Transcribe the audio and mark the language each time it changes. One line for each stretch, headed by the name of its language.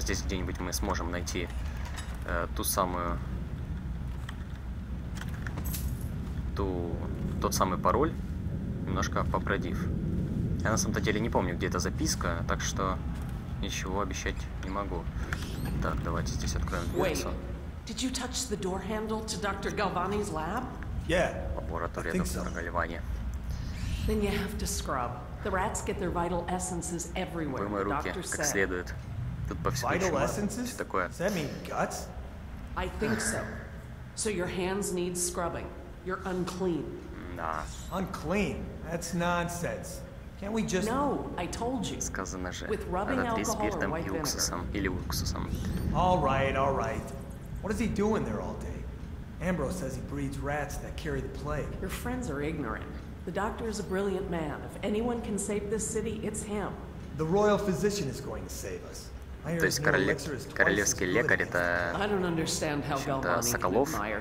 Russian: Здесь где-нибудь мы сможем найти тот самый пароль, немножко попродив. Я на самом-то деле не помню, где эта записка, так что ничего обещать не могу. Так, давайте здесь откроем дверцу.
English: Did you touch the door handle to Dr. Galvani's lab? Yeah.
Russian: Лаборатория доктора Гальвани.
English: Then you have to scrub. The rats get their vital essences everywhere.
Russian: Вымой руки, как следует. Тут повсюду что-то такое.
English: Does that mean guts? I think so. So your hands need scrubbing. You're unclean. Nah. Unclean? That's nonsense. Can't we just? No, I told you.
Russian: Сказано же.
English: With rubbing alcohol or white
Russian: уксусом, или уксусом.
English: All right, all right. What is he doing there all day? Ambrose says he breeds rats that carry the plague. Your friends are ignorant. The doctor is a brilliant man. If anyone can save this city, it's him. The royal physician is going to save us.
Russian: То есть королевский лекарь это...
English: I don't understand how Galvani can admire Sokolov.